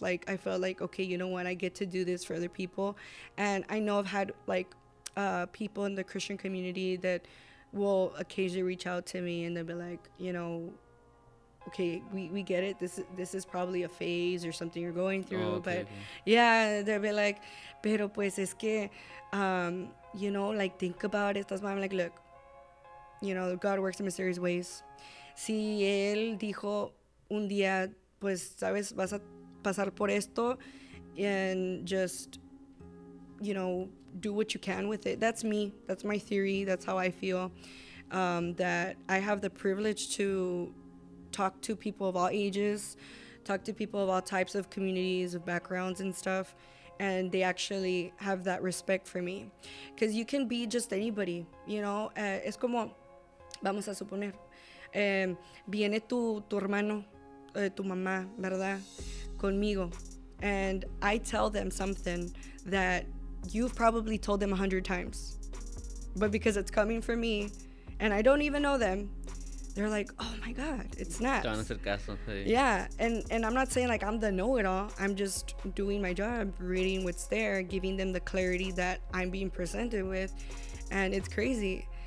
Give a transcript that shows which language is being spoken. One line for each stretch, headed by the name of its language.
English: Like I felt like, okay, you know what? I get to do this for other people. And I know I've had like people in the Christian community that will occasionally reach out to me and they'll be like, you know, okay, we get it. This is probably a phase or something you're going through. Oh, okay, but okay. Yeah, they'll be like,
Spanish: pero pues es que,
English: you know, like think about it. That's why I'm like, look, you know, God works in mysterious ways.
Spanish: Si él dijo un día, pues, sabes, vas a pasar por esto,
English: and just, you know, do what you can with it. That's me. That's my theory. That's how I feel. That I have the privilege to talk to people of all ages, talk to people of all types of communities, of backgrounds and stuff, and they actually have that respect for me. Because you can be just anybody, you know?
Spanish: Es como, vamos a suponer, viene tu hermano, tu mamá, ¿verdad? Conmigo.
English: And I tell them something that you've probably told them 100 times. But because it's coming from me, and I don't even know them, they're like, oh my God, it's not. Don't
Spanish: hacer caso,
English: hey. Yeah, and I'm not saying like I'm the know-it-all. I'm just doing my job, reading what's there, giving them the clarity that I'm being presented with. And it's crazy.